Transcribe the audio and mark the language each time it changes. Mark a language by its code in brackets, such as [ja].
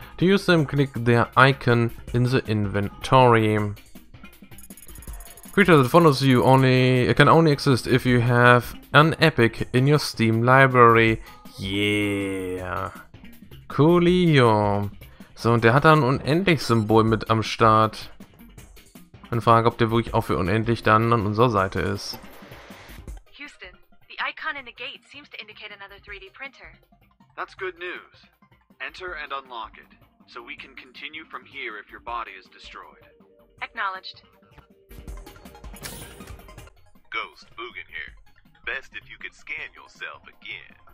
[en] To use them, click their icon in the inventory. Creature that follows you only can only exist if you have an epic in your Steam library. Yeah. Coolio. [de] So, und der hat da ein Unendlich-Symbol mit am Start. Und frage, ob der wirklich auch für Unendlich dann an unserer Seite ist. [en] Houston, the icon in the gate seems to indicate another 3D printer. That's good news. Enter and unlock it, so we can continue from here if your body is destroyed. Acknowledged. Ghost, Boogan here. Best if you could scan yourself again.